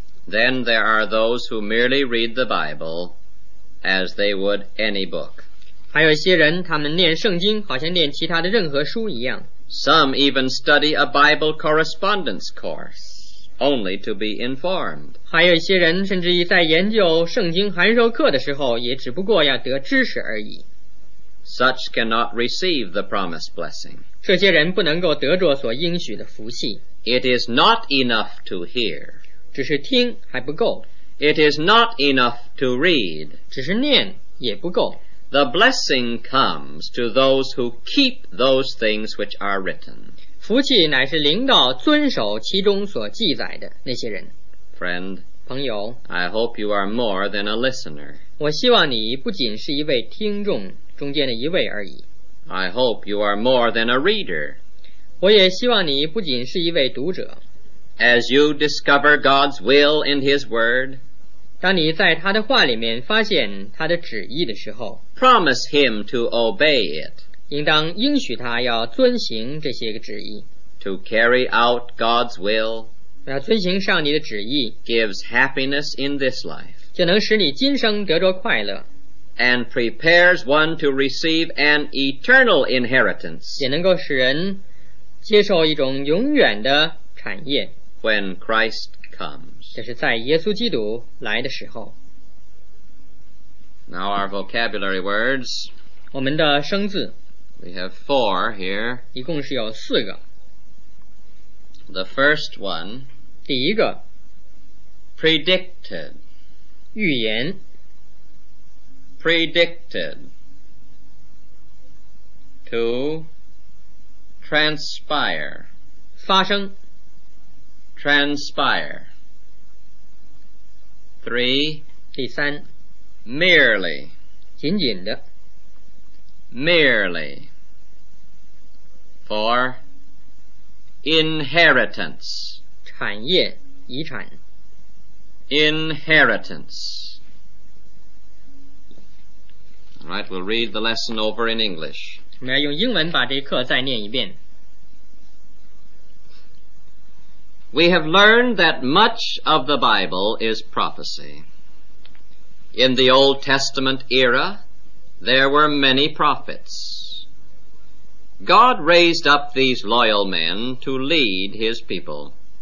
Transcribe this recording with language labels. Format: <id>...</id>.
<en>Then there are those who merely read the Bible as they would any book.</en> <zh>还有一些人他们念圣经好像念其他的任何书一样。</zh> <en>Some even study a Bible correspondence course. Only to be informed.</en> <zh>还有一些人甚至于在研究圣经函授课的时候也只不过要得知识而已。</zh> <en>Such cannot receive the promised blessing.</en> <zh>这些人不能够得着所应许的福气。</zh> <en>It is not enough to hear.</en> <zh>只是听还不够。</zh> <en>It is not enough to read.</en> <zh>只是念也不够。</zh> <en>The blessing comes to those who keep those things which are written.</en> <zh>福气乃是临到遵守其中所记载的那些人。</zh> <en>Friend,</en> <zh>朋友，</zh> <en>I hope you are more than a listener.</en> <zh>我希望你不仅是一位听众中间的一位而已。</zh> <en>I hope you are more than a reader.</en> <zh>我也希望你不仅是一位读者。</zh> <en>As you discover God's will in His Word,</en> <zh>当你在他的话里面发现他的旨意的时候，</zh> <en>promise Him to obey it.</en> <zh>应当应许他要遵行这些个旨意。</zh> <en>To carry out God's will,</en> <zh>要遵行上帝的旨意</zh> <en>gives happiness in this life,</en> <zh>就能使你今生得着快乐。</zh> <en>And prepares one to receive an eternal inheritance,</en> <zh>也能够使人接受一种永远的产业。</zh> <en>When Christ comes,</en> <zh>就是在耶稣基督来的时候。</zh> <en>Now our vocabulary words.</en> <zh>我们的生字</zh> <en>We have four here.</en> <zh>一共是有四个。</zh> <en>The first one,</en> <zh>第一个</zh> <en>predicted,</en> <zh>预言</zh> <en>predicted, to transpire,</en> <zh>发生</zh> <en>transpire, three,</en> <zh>第三</zh> <en>merely,</en> <zh>仅仅的</zh> <en>Merely for inheritance,</en> <zh>产业遗产</zh> <en>inheritance. All right, we'll read the lesson over in English.</en> <zh>我们要用英文把这课再念一遍。</zh> <en>We have learned that much of the Bible is prophecy. In the Old Testament era,There were many prophets. God raised up these loyal men to lead His people.</en>